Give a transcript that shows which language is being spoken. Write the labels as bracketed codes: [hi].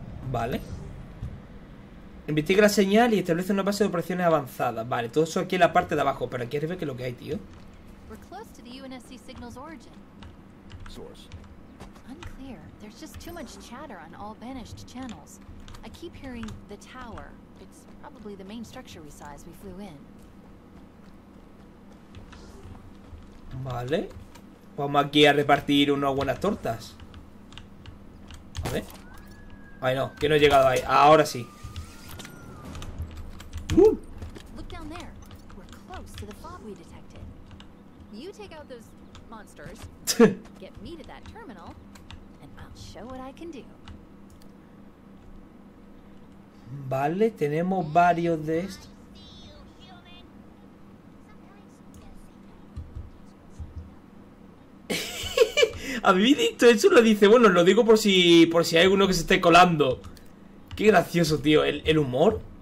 [es] Vale. Investiga la señal y establece una base de operaciones avanzada. Vale, todo eso aquí en la parte de abajo, pero aquí arriba que es lo que hay, tío. [en] We're close to the UNSC signal's origin. Source. Unclear. There's just too much chatter on all banished channels. I keep hearing the tower. It's probably the main structure we saw as we flew in. [es] Vale. Vamos aquí a repartir unas buenas tortas. A ver. Ay, no, que no he llegado ahí. Ahora sí. [en] Look down there. We're close to the fog we detected. You take out those monsters. Get me to that terminal and I'll show what I can do. [es] Vale, tenemos varios de estos. ¿Habéis visto eso? Lo dice. Bueno, lo digo por si hay alguno que se esté colando. Qué gracioso, tío. El humor.